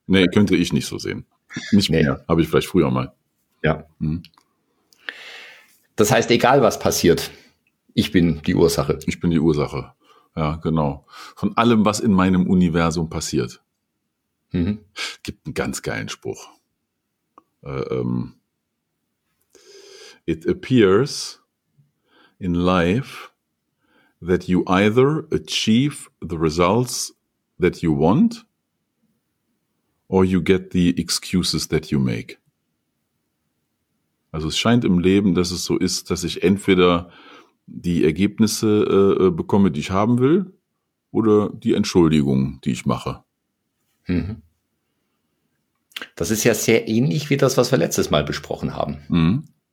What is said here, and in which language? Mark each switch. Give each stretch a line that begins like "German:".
German: Nee, könnte ich nicht so sehen. Nicht mehr. Nee. Habe ich vielleicht früher mal. Ja. Mhm. Das heißt, egal was passiert, ich bin die Ursache. Ich bin die Ursache. Ja, genau. Von allem, was in meinem Universum passiert. Mhm. Gibt einen ganz geilen Spruch.
English: It appears in life that you either achieve the results that you want or you get the excuses that you make.
German: Also es scheint im Leben, dass es so ist, dass ich entweder die Ergebnisse bekomme, die ich haben will, oder die Entschuldigung, die ich mache. Mhm. Das ist ja sehr ähnlich wie das, was wir letztes Mal besprochen haben. Mhm.